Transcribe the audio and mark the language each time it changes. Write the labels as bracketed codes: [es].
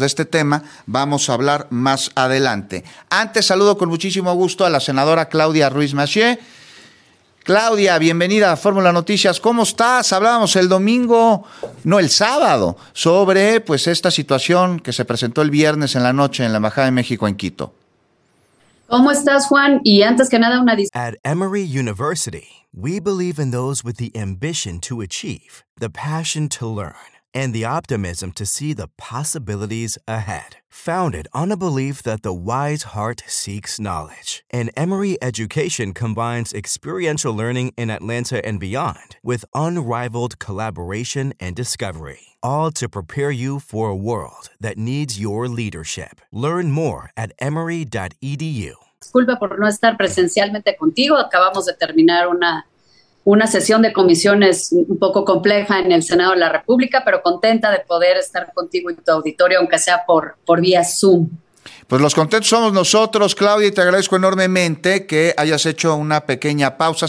[es] De este tema vamos a hablar más adelante. Antes, saludo con muchísimo gusto a la senadora Claudia Ruiz Massieu. Claudia, bienvenida a Fórmula Noticias. ¿Cómo estás? Hablábamos el domingo, no, el sábado, sobre pues esta situación que se presentó el viernes en la noche en la Embajada de México en Quito. ¿Cómo estás, Juan? Y antes que nada, una disculpa. [en] At Emory University, we believe in those with the ambition to achieve, the passion to learn, and the optimism to see the possibilities ahead. Founded on a belief that the wise heart seeks knowledge, an Emory education combines experiential learning in Atlanta and beyond with unrivaled collaboration and discovery, all to prepare you for a world that needs your leadership. Learn more at emory.edu. [es] Disculpa por no estar presencialmente contigo. Acabamos de terminar una sesión de comisiones un poco compleja en el Senado de la República, pero contenta de poder estar contigo y tu auditorio, aunque sea por vía Zoom. Pues los contentos somos nosotros, Claudia, y te agradezco enormemente que hayas hecho una pequeña pausa.